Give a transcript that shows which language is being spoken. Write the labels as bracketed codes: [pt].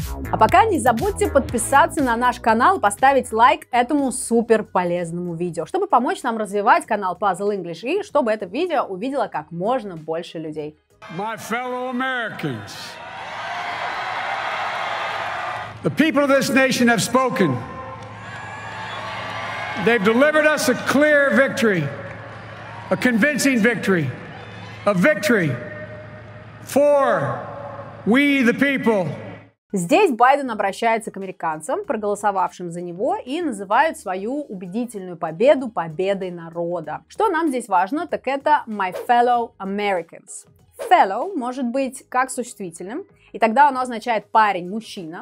[ru] А пока не забудьте подписаться на наш канал и поставить лайк этому супер полезному видео, чтобы помочь нам развивать канал Puzzle English и чтобы это видео увидело как можно больше людей. [en] My fellow Americans, the people of this nation have spoken. They've delivered us a clear victory, a convincing victory, a victory for we the people. [ru] Здесь Байден обращается к американцам, проголосовавшим за него, и называет свою убедительную победу победой народа. Что нам здесь важно, так это [en] my fellow Americans. [ru] Fellow может быть как существительным, и тогда оно означает парень, мужчина.